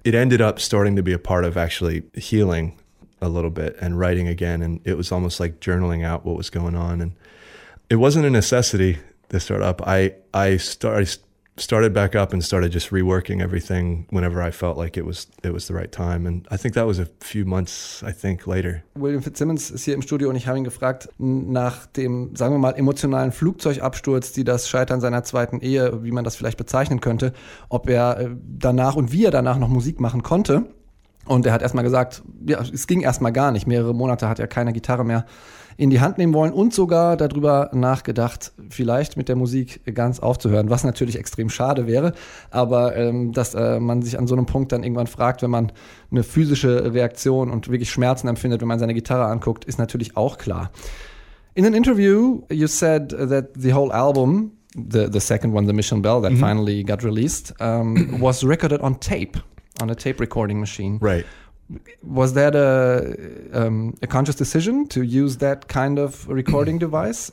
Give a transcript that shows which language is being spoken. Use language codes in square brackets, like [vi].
[en] It ended up starting to be a part of actually healing a little bit and writing again. And it was almost like journaling out what was going on. And it wasn't a necessity to start up. I started back up and started just reworking everything whenever I felt like it was the right time. And I think that was a few months, I think, later. [de] William Fitzsimmons ist hier im Studio und ich habe ihn gefragt nach dem, sagen wir mal, emotionalen Flugzeugabsturz, die das Scheitern seiner zweiten Ehe, wie man das vielleicht bezeichnen könnte, ob er danach und wie er danach noch Musik machen konnte. Und er hat erstmal gesagt, ja, es ging erstmal gar nicht. Mehrere Monate hat er keine Gitarre mehr in die Hand nehmen wollen und sogar darüber nachgedacht, vielleicht mit der Musik ganz aufzuhören, was natürlich extrem schade wäre. Aber dass man sich an so einem Punkt dann irgendwann fragt, wenn man eine physische Reaktion und wirklich Schmerzen empfindet, wenn man seine Gitarre anguckt, ist natürlich auch klar. [en] In an interview, you said that the whole album, the second one, the Mission Bell, that mm-hmm. finally got released, was recorded on tape. On a tape recording machine. Right. Was that a conscious decision to use that kind of recording device?